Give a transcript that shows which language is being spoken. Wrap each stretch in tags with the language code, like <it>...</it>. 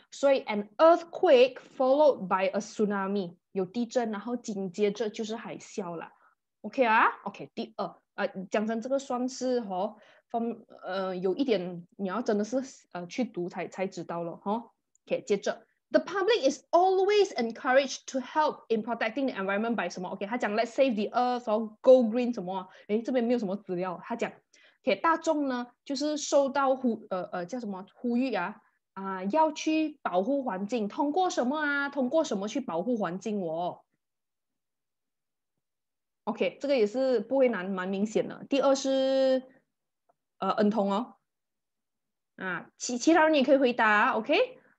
<zh>所以</zh> <en>an earthquake followed by a tsunami，</en> <zh>有地震然后紧接着就是海啸了。 OK 啊 OK 第二、讲成这个算是哦有一点你要真的是去读才知道了齁。 OK, 接着。</zh> <en>The public is always encouraged to help in protecting the environment by</en> <zh>什么</zh> <en>?OK,</en> <zh>他讲</zh> <en>let's save the earth, or go green,</en> <zh>什么诶这边没有什么资料。他讲 ,OK, 大众呢就是受到叫什么呼吁啊啊要去保护环境，通过什么啊，通过什么去保护环境哦。 OK, 这个也是不会难蛮明显的。第二是恩童哦，啊，其他人也可以回答 ，OK？</zh>